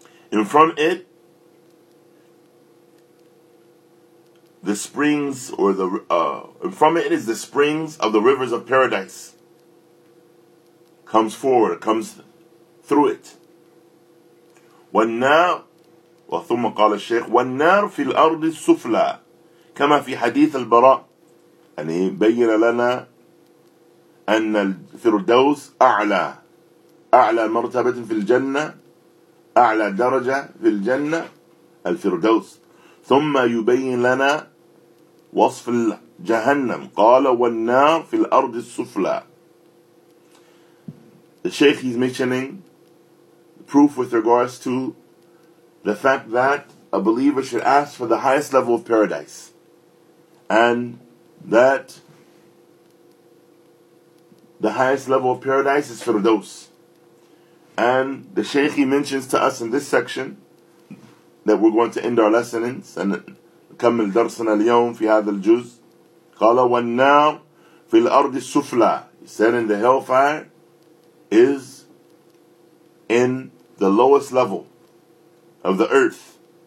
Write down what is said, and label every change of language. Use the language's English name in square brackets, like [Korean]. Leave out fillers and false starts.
[English] In front it, the springs, or the from it is the springs of the rivers of paradise. Comes forward, comes through it. [Arabic] والنار وثم قال الشيخ والنار في الأرض السفلى كما في حديث البراء. يعني بين لنا أن الفردوس أعلى مرتبة في الجنة, أعلى درجة في الجنة الفردوس. ثم يبين لنا وصف الجهنم. قال والنار في الأرض السفلى. [English] The Shaykh, he's mentioning proof with regards to the fact that a believer should ask for the highest level of paradise, and that the highest level of paradise is Firdaus. And the Shaykh, he mentions to us in this section that we're going to end our lesson in, and [Arabic] كمل درسنا اليوم في هذا الجزء. قال والنار في الأرض السفلى. [English] He said in the hellfire is in the lowest level of the earth.